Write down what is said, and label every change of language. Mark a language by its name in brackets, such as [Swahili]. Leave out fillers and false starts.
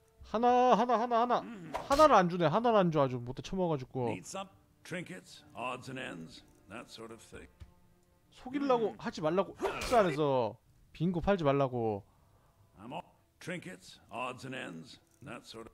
[Korean] 하나 하나 하나 하나 하나를 안 주네. 하나를 안 줘 아주 못 쳐먹어 가지고. [English] Need some trinkets, odds and ends, that sort of thing. [Korean] 속이려고 하지 말라고 흑산에서 빈 거 팔지 말라고. [English] I'm all trinkets, odds and ends, that sort of.